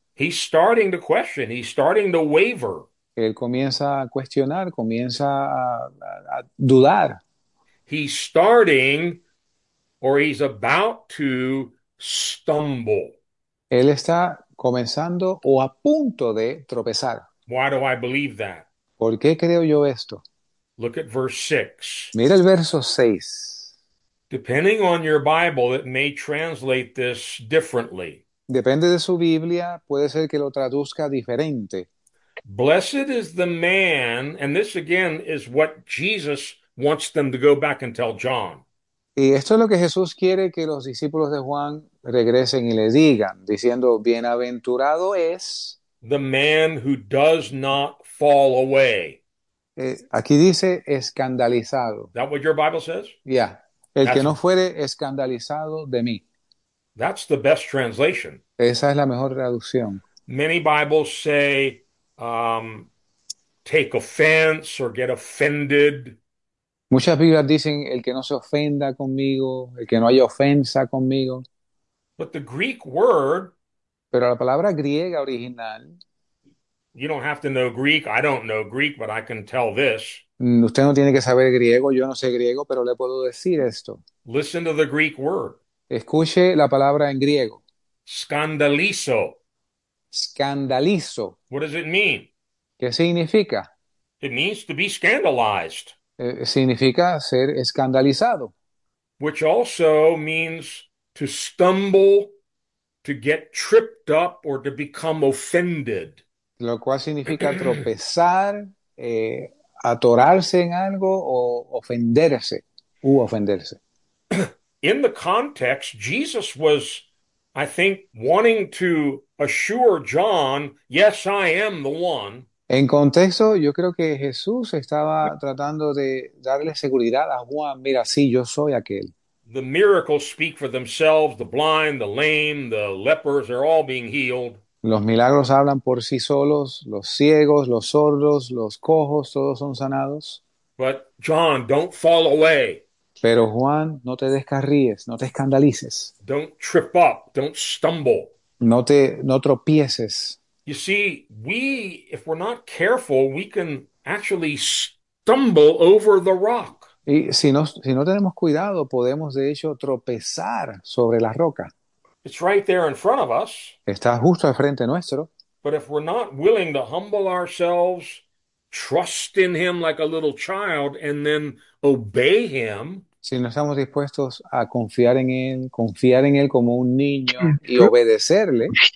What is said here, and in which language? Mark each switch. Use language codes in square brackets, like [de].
[en] He's starting to question, he's starting to waver. [es] Él comienza a cuestionar, comienza a dudar. [en] He's starting. Or he's about to stumble. [es] Él está comenzando o a punto de tropezar. [en] Why do I believe that? [es] ¿Por qué creo yo esto? [en] Look at verse 6. [es] Mira el verso 6. [en] Depending on your Bible, it may translate this differently. [es] Depende de su Biblia, puede ser que lo traduzca diferente. [en] Blessed is the man, and this again is what Jesus wants them to go back and tell John. [es] Y esto es lo que Jesús quiere que los discípulos de Juan regresen y le digan, diciendo, bienaventurado es. [en] The man who does not fall away. [es] Aquí dice escandalizado. [en] That what your Bible says? [es] El que no fuere escandalizado de mí. [en] That's the best translation. [es] Esa es la mejor traducción. [en] Many Bibles say, take offense or get offended. [es] Muchas Biblias dicen el que no se ofenda conmigo, el que no haya ofensa conmigo. [en] But the Greek word. [es] Pero la palabra griega original. [en] You don't have to know Greek. I don't know Greek, but I can tell this. [es] Usted no tiene que saber griego, yo no sé griego, pero le puedo decir esto. [en] Listen to the Greek word. [es] Escuche la palabra en griego. [en] Scandalizo. [es] Escandalizo. [en] What does it mean? [es] ¿Qué significa? [en] It means to be scandalized, [es] Significa ser escandalizado. [en] which also means to stumble, to get tripped up, or to become offended. [es] Lo cual significa tropezar, atorarse en algo o ofenderse. [en] In the context, Jesus was, I think wanting to assure John, yes, I am the one. [es] En contexto, yo creo que Jesús estaba tratando de darle seguridad a Juan. Mira, sí, yo soy aquel. [en] The miracles speak for themselves. The blind, the lame, the lepers are all being healed. [es] Los milagros hablan por sí solos. Los ciegos, los sordos, los cojos, todos son sanados. [en] But John, don't fall away. [es] Pero Juan, no te descarríes, no te escandalices. [en] Don't trip up, don't stumble. [es] No tropieces. [en] You see, we, if we're not careful, we can actually stumble over the rock. [es] Y si no tenemos cuidado, podemos de hecho tropezar sobre la roca. [en] It's right there in front of us. [es] Está justo al frente nuestro. [en] But if we're not willing to humble ourselves, trust in him like a little child, and then obey him. [es] Si no estamos dispuestos a confiar en él como un niño y obedecerle,